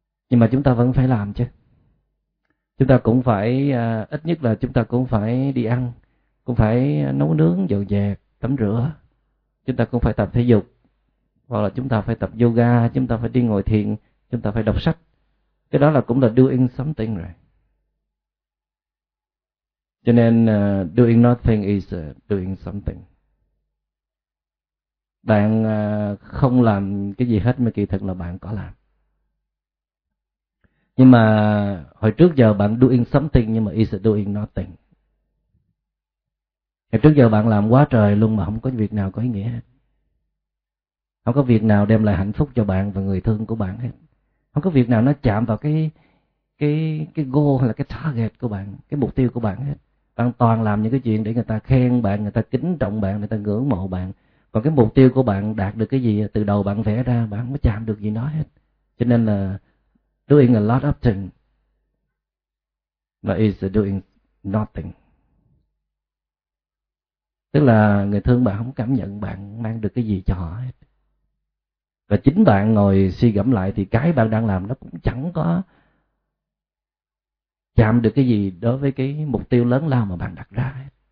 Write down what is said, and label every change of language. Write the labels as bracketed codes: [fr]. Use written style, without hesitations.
[vi] Nhưng mà chúng ta vẫn phải làm chứ. Chúng ta cũng phải, ít nhất là chúng ta cũng phải đi ăn, cũng phải nấu nướng, dọn dẹp, tắm rửa. Chúng ta cũng phải tập thể dục, hoặc là chúng ta phải tập yoga, chúng ta phải đi ngồi thiền, chúng ta phải đọc sách. Cái đó là cũng là [en] doing something [vi] rồi. Cho nên [en] doing nothing is doing something. [vi] Bạn không làm cái gì hết mà kỳ thực là bạn có làm. Nhưng mà hồi trước giờ bạn [en] doing something [vi] nhưng mà [en] is doing nothing. [vi] Hồi trước giờ bạn làm quá trời luôn mà không có việc nào có ý nghĩa hết. Không có việc nào đem lại hạnh phúc cho bạn và người thương của bạn hết. Không có việc nào nó chạm vào cái goal hay là cái target của bạn, cái mục tiêu của bạn hết. Bạn toàn làm những cái chuyện để người ta khen bạn, người ta kính trọng bạn, người ta ngưỡng mộ bạn. Còn cái mục tiêu của bạn đạt được cái gì từ đầu bạn vẽ ra, bạn không có chạm được gì nó hết. Cho nên là [en] doing a lot of things, but is doing nothing. [vi] Tức là người thương bạn không cảm nhận bạn mang được cái gì cho họ hết. Và chính bạn ngồi suy gẫm lại thì cái bạn đang làm nó cũng chẳng có chạm được cái gì đối với cái mục tiêu lớn lao mà bạn đặt ra.